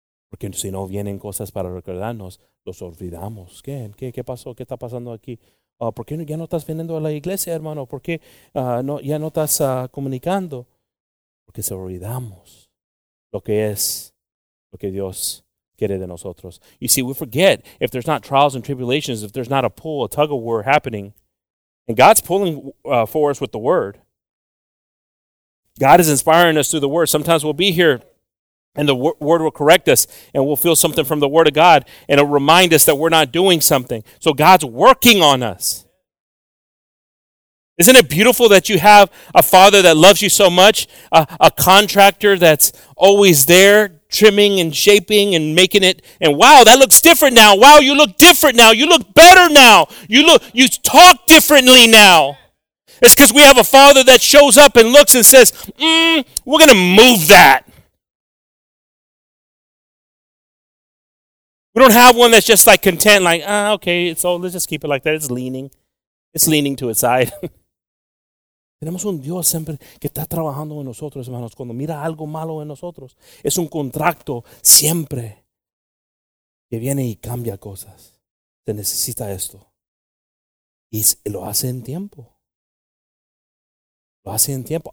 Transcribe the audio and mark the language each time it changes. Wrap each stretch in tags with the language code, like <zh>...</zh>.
<es>Porque si no vienen cosas para recordarnos, los olvidamos. ¿Qué pasó? ¿Qué está pasando aquí? ¿Por qué ya no estás viniendo a la iglesia, hermano? ¿Por qué ya no estás comunicando? Porque se olvidamos lo que es lo que Dios quiere de nosotros.</es> <en>You see, we forget if there's not trials and tribulations, if there's not a pull, a tug of war happening. And God's pulling for us with the word. God is inspiring us through the word. Sometimes we'll be here and the word will correct us and we'll feel something from the word of God and it'll remind us that we're not doing something. So God's working on us. Isn't it beautiful that you have a father that loves you so much, a contractor that's always there trimming and shaping and making it, and wow, that looks different now. Wow, you look different now. You look better now. You talk differently now. It's because we have a father that shows up and looks and says, we're going to move that. We don't have one that's just like content, like, okay, it's all, let's just keep it like that. It's leaning to its side.</en> <es>Tenemos un Dios siempre que está trabajando en nosotros, hermanos. Cuando mira algo malo en nosotros, es un contrato siempre que viene y cambia cosas. Se necesita esto. Y lo hace en tiempo. Lo hace en tiempo.</es>